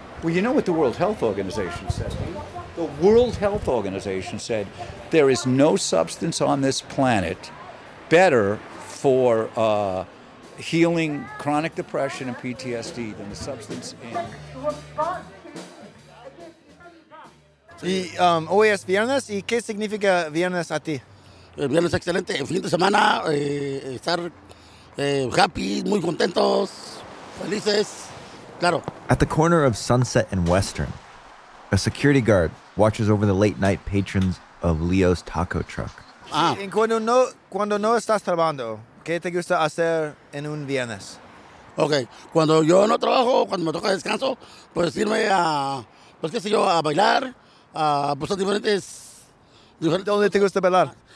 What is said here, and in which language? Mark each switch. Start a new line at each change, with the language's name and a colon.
English: Well, you know what the World Health Organization said? The World Health Organization said there is no substance on this planet better for healing chronic depression and PTSD than the substance in...
Spanish: Hoy es viernes, ¿y qué significa viernes a ti? Viernes excelente, fin de semana, estar happy, muy contentos, felices, claro.
English: At the corner of Sunset and Western, a security guard watches over the late night patrons of Leo's taco truck. Ah.
Spanish: Cuando no estás trabajando, ¿qué te gusta hacer en un viernes? Okay, cuando yo no trabajo, cuando me toca descanso, pues irme a, pues qué sé yo, a bailar, a pues a diferentes. ¿Dónde te gusta bailar?